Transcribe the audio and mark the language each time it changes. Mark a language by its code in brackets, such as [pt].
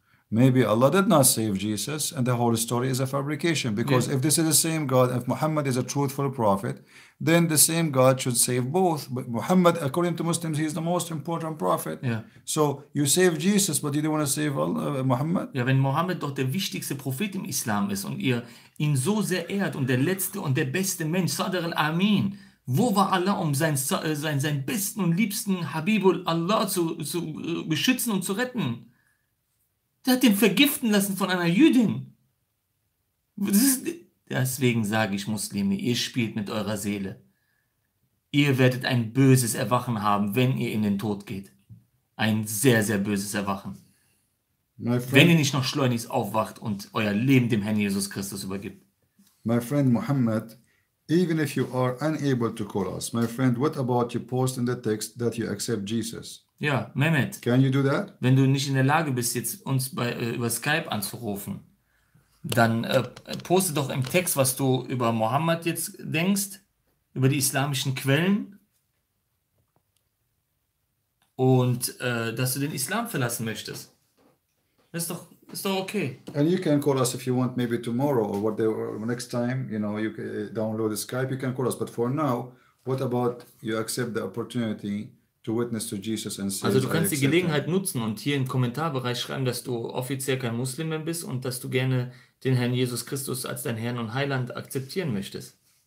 [en] Maybe Allah did not save Jesus and the whole story is a fabrication. Because if this is the same God, if Muhammad is a truthful prophet, then the same God should save both. But Muhammad, according to Muslims, he is the most important prophet. Yeah. So you save Jesus, but you don't want to save Allah, Muhammad? [de] Ja, wenn Muhammad doch der wichtigste Prophet im Islam ist und ihr ihn so sehr ehrt und der letzte und der beste Mensch, Sadr al-Amin, wo war Allah, um seinen besten und liebsten Habibul Allah zu beschützen und zu retten? Der hat den vergiften lassen von einer Jüdin. Das ist, Deswegen sage ich, Muslime, ihr spielt mit eurer Seele. Ihr werdet ein böses Erwachen haben, wenn ihr in den Tod geht. Ein sehr, sehr böses Erwachen. Wenn ihr nicht noch schleunigst aufwacht und euer Leben dem Herrn Jesus Christus übergibt. [en] My friend Muhammad, even if you are unable to call us, my friend, what about your post in the text that you accept Jesus? [de] Ja, Mehmet. [en] Can you do that? [de] Wenn du nicht in der Lage bist, jetzt uns bei, über Skype anzurufen, dann poste doch im Text, was du über Muhammad jetzt denkst, über die islamischen Quellen und dass du den Islam verlassen möchtest. Das ist doch, okay. [en] And you can call us if you want, maybe tomorrow or whatever, next time, you know, you download the Skype, you can call us. But for now, what about you accept the opportunity to witness to Jesus and say, [de] also du kannst die Gelegenheit nutzen und hier im Kommentarbereich schreiben, dass du offiziell kein Muslim mehr bist und dass du gerne den Herrn Jesus Christus als dein Herrn und Heiland akzeptieren möchtest.